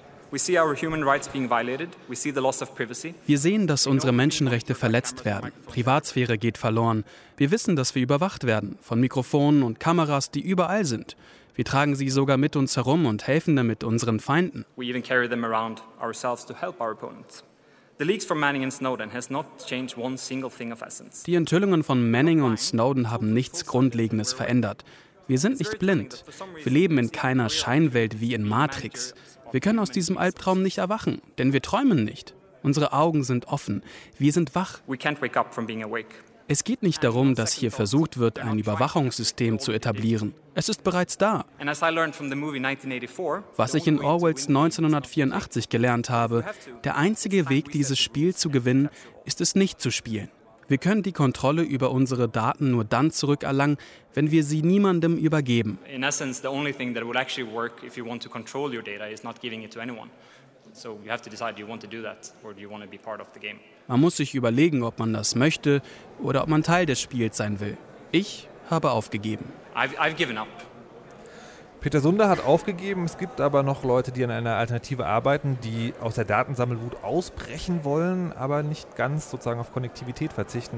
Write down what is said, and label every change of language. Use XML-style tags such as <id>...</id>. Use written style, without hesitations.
<de>Wir sehen, dass unsere Menschenrechte verletzt werden. Privatsphäre geht verloren. Wir wissen, dass wir überwacht werden von Mikrofonen und Kameras, die überall sind. Wir tragen sie sogar mit uns herum und helfen damit unseren Feinden.</de> <en>We even carry them around ourselves to help our opponents. The leaks from Manning and Snowden has not changed one single thing of essence.</en> <de>Die Enthüllungen von Manning und Snowden haben nichts Grundlegendes verändert. Wir sind nicht blind. Wir leben in keiner Scheinwelt wie in Matrix. Wir können aus diesem Albtraum nicht erwachen, denn wir träumen nicht. Unsere Augen sind offen. Wir sind wach. Es geht nicht darum, dass hier versucht wird, ein Überwachungssystem zu etablieren. Es ist bereits da. Was ich in Orwells 1984 gelernt habe, der einzige Weg, dieses Spiel zu gewinnen, ist es nicht zu spielen. Wir können die Kontrolle über unsere Daten nur dann zurückerlangen, wenn wir sie niemandem übergeben.</de> <en>In essence, the only thing that would actually work if you want to control your data is not giving it to anyone. So you have to decide, do you want to do that or do you want to be part of the game?</en> <de>Man muss sich überlegen, ob man das möchte oder ob man Teil des Spiels sein will. Ich habe aufgegeben.</de> <en>I've given up.</en> <de>Peter Sunde hat aufgegeben. Es gibt aber noch Leute, die an einer Alternative arbeiten, die aus der Datensammelwut ausbrechen wollen, aber nicht ganz sozusagen auf Konnektivität verzichten.</de>